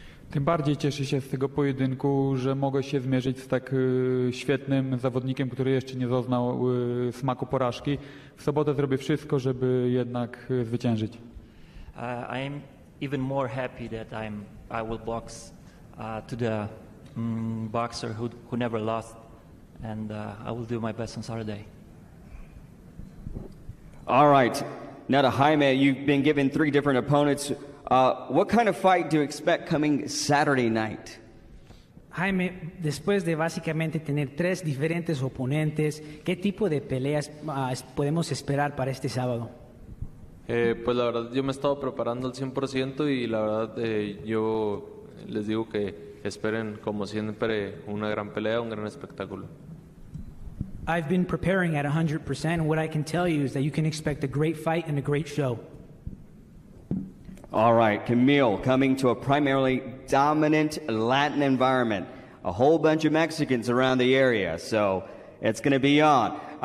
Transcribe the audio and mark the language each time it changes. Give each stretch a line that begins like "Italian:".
Polish: Tym bardziej cieszę się z tego pojedynku, że mogę się zmierzyć z tak świetnym zawodnikiem, który jeszcze nie doznał smaku porażki. W sobotę zrobię wszystko, żeby jednak zwyciężyć.
English: I am even more happy that I will box to the boxer who never lost, and I will do my best on Saturday. All right, now to Jaime, you've been given three different opponents. What kind of fight do you expect coming Saturday night?
Spanish: Jaime, después de básicamente tener tres diferentes oponentes, ¿qué tipo de peleas podemos esperar para este sábado? Pues la verdad, yo me he estado preparando al 100% y la verdad, yo les digo que esperen, como siempre, una gran pelea, un gran espectáculo.
English: I've been preparing at 100%. What I can tell you is that you can expect a great fight and a great show. All right, Kamil, coming to a primarily dominant Latin environment, a whole bunch of Mexicans around the area, so it's going to be on.